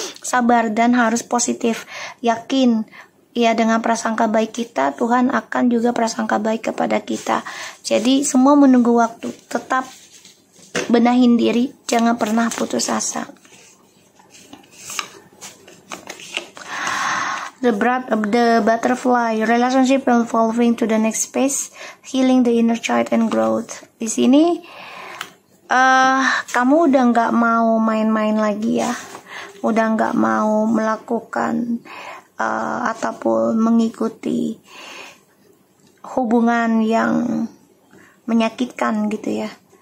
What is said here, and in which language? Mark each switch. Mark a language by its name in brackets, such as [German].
[Indonesian] Sabar dan harus positif, yakin. Ya, dengan prasangka baik kita, Tuhan akan juga prasangka baik kepada kita. Jadi semua menunggu waktu, tetap benahin diri, jangan pernah putus asa. [English] The breath of the butterfly, relationship evolving to the next phase, healing the inner child and growth. [Indonesian] Di sini kamu udah enggak mau main-main lagi ya. Udah enggak mau melakukan ataupun mengikuti hubungan yang menyakitkan gitu ya.